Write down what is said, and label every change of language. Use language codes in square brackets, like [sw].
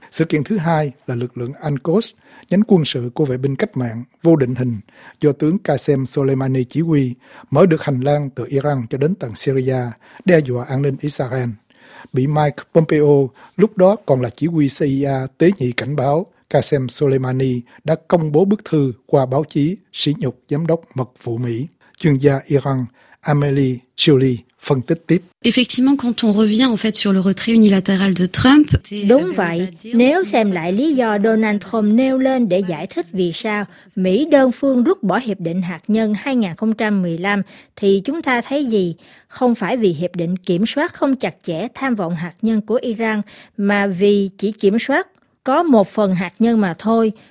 [vi] Sự kiện thứ hai là lực lượng Al-Quds, nhánh quân sự của vệ binh cách mạng vô định hình do tướng Qasem Soleimani chỉ huy, mở được hành lang từ Iran cho đến tận Syria, đe dọa an ninh Israel. Bị Mike Pompeo, lúc đó còn là chỉ huy CIA, tế nhị cảnh báo, Qasem Soleimani đã công bố bức thư qua báo chí sỉ nhục giám đốc mật vụ Mỹ. Chuyên gia Iran Amélie Chouli phân tích tiếp. [fr] Effectivement, quand on revient en fait sur le retrait unilatéral de Trump. [vi] Đúng vậy, nếu xem lại lý do Donald Trump nêu lên để giải thích vì sao Mỹ đơn phương rút bỏ hiệp định hạt nhân 2015 thì chúng ta thấy gì? Không phải vì hiệp định kiểm soát không chặt chẽ tham vọng hạt nhân của Iran, mà vì chỉ kiểm soát có một phần hạt nhân mà thôi.